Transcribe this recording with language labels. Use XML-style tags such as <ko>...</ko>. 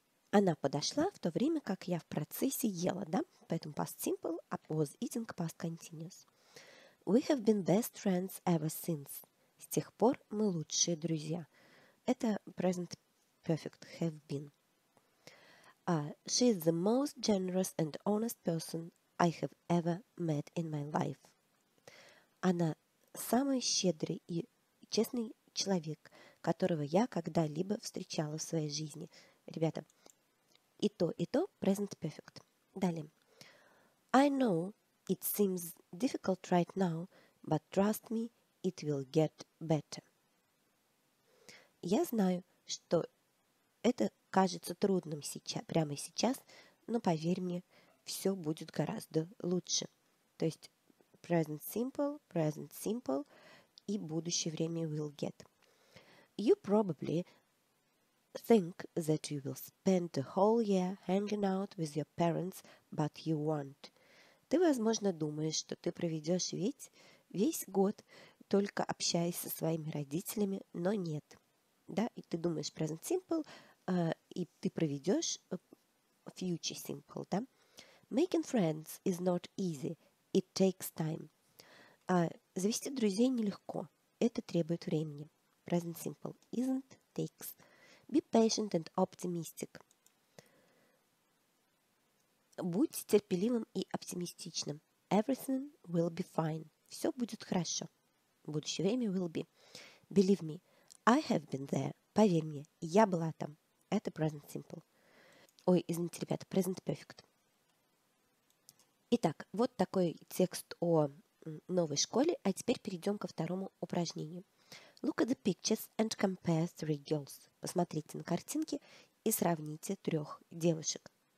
<ru>Она подошла в то время, как я в процессе ела, да? Поэтому</ru> <en>past simple was eating past continuous. We have been best friends ever since.</en> <ru>С тех пор мы лучшие друзья. Это present perfect, have been.</ru> <en>She is the most generous and honest person I have ever met in my life.</en> <ru>Она самый щедрый и честный человек, которого я когда-либо встречала в своей жизни. Ребята, и то present perfect. Далее.</ru> <en>I know it seems difficult right now, but trust me, it will get better.</en> <ru>Я знаю, что это кажется трудным сейчас, прямо сейчас, но поверь мне, все будет гораздо лучше. То есть present simple и будущее время will get.</ru> <en>You probably think that you will spend the whole year hanging out with your parents, but you won't.</en> <ru>Ты, возможно, думаешь, что ты проведешь весь год, только общаясь со своими родителями, но нет. Да, и ты думаешь present simple, и ты проведешь future simple, да?</ru> <en>Making friends is not easy. It takes time.</en> <ru>Завести друзей нелегко. Это требует времени. Present simple.</ru> <en>Isn't takes. Be patient and optimistic.</en> <ru>Будь терпеливым и оптимистичным.</ru> <en>Everything will be fine.</en> <ru>Все будет хорошо. Будущее время</ru> <en>will be. Believe me. I have been there.</en> <ru>Поверь мне, я была там. Это present simple. Ой, извините, ребята, present perfect. Итак, вот такой текст о новой школе, а теперь перейдем ко второму упражнению.</ru> <en>Look at the pictures and compare three girls.</en> <ru>Посмотрите на картинки и сравните трех девушек.</ru>